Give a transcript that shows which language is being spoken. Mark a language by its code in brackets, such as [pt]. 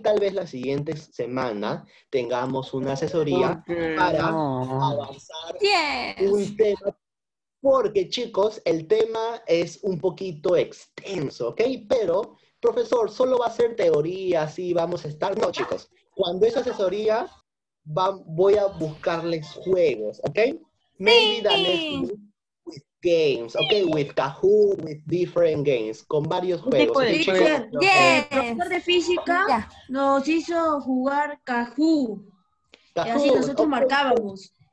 [es] Tal vez la siguiente semana tengamos una asesoría para avanzar un tema. Porque, chicos, el tema es un poquito extenso, ¿ok? Pero, profesor, solo va a ser teoría, así vamos a estar. No, chicos, cuando es asesoría, voy a buscarles juegos, ¿ok? [en] Maybe the next week with games, ok, with Kahoot, with different games, [es] con varios juegos. Sí, sí, chicos, el profesor de física nos hizo jugar Kahoot, y así nosotros marcábamos.